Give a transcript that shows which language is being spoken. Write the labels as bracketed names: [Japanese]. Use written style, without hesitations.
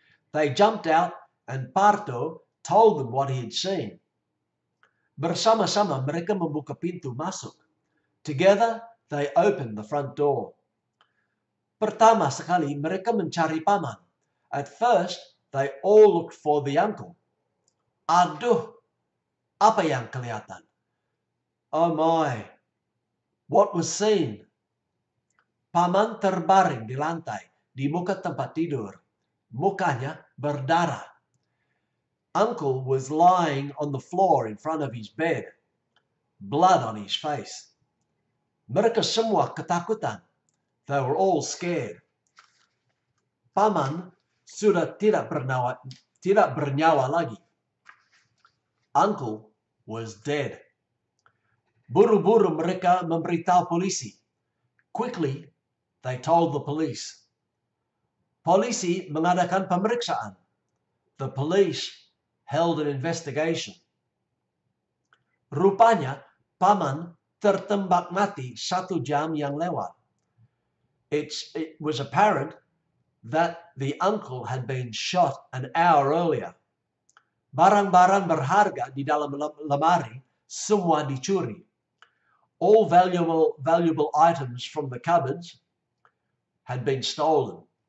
[English] They jumped out and Parto told them what he had seen. [Indonesian] Bersama-sama mereka membuka pintu masuk. [English] Together, they opened the front door. [Indonesian] Pertama sekali, mereka mencari paman. [English] At first, they all looked for the uncle. [Indonesian] Aduh, apa yang kelihatan? [English] Oh my, what was seen? [Indonesian] Paman terbaring di lantai, di muka tempat tidur. Mukanya berdarah. [English] Uncle was lying on the floor in front of his bed, blood on his face. [Indonesian] Mereka semua ketakutan. [English] They were all scared. [Indonesian] Paman sudah tidak bernyawa lagi. [English] Uncle was dead. [Indonesian] Buru-buru mereka memberitahu polisi. [English] Quickly, they told the police. [Indonesian] Polisi mengadakan pemeriksaan. [English] The police held an investigation. [Indonesian] Rupanya, paman tertembak mati satu jam yang lewat. [English] It was apparent that the uncle had been shot an hour earlier. [Indonesian] Barang-barang berharga di dalam lemari semua dicuri. [English] All valuable items from the cupboards had been stolen.